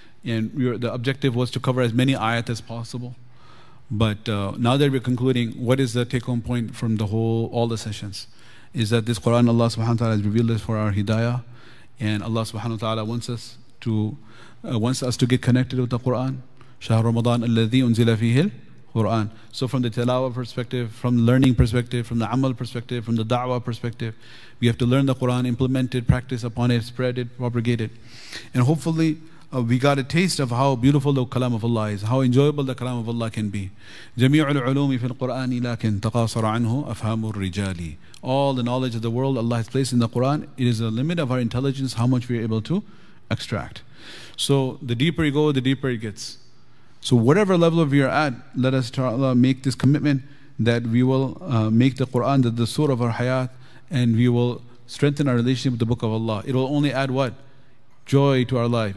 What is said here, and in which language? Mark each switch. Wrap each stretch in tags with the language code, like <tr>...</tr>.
<en>And the objective was to cover as many ayat as possible. But now that we're concluding, what is the take-home point from all the sessions? Is that this Quran, Allah subhanahu wa ta'ala has revealed this for our hidayah. And Allah subhanahu wa ta'ala wants us to get connected with the Quran.</en> <ar>شهر رمضان الذي أنزل فيه القرآن.</ar> <en>So from the tilawa perspective, from the learning perspective, from the amal perspective, from the da'wah perspective, we have to learn the Quran, implement it, practice upon it, spread it, propagate it. And hopefully we got a taste of how beautiful the kalam of Allah is, how enjoyable the kalam of Allah can be.</en> <ar>جميع العلوم في القرآن لكن تقاصر عنه أفهام الرجال.</ar> <en>All the knowledge of the world Allah has placed in the Quran, it is a limit of our intelligence, how much we are able to extract. So the deeper you go, the deeper it gets. So whatever level we are at, let us make this commitment that we will make the Quran the surah of our hayat, and we will strengthen our relationship with the book of Allah. It will only add what? Joy to our life.</en>